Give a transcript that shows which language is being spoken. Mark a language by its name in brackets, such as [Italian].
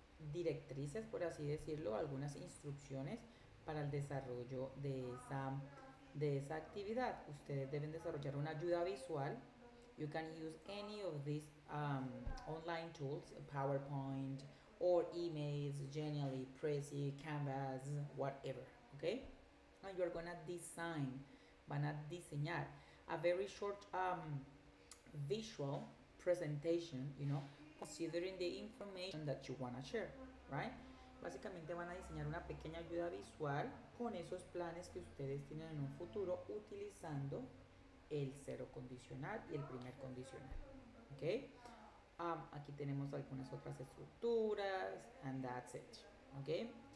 [Spanish] directrices, por así decirlo, algunas instrucciones para el desarrollo de esa actividad. Ustedes deben desarrollar una ayuda visual. [English] You can use any of these online tools, PowerPoint, or emails, Genially, Prezi, Canvas, whatever, okay? And you're gonna design, [Spanish] van a diseñar [English] a very short visual presentation, you know, considering the information that you wanna share, right? [Spanish] Básicamente van a diseñar una pequeña ayuda visual con esos planes que ustedes tienen en un futuro utilizando el cero condicional y el primer condicional, okay? Aquí tenemos algunas otras estructuras, [English] and that's it, [Spanish] ok.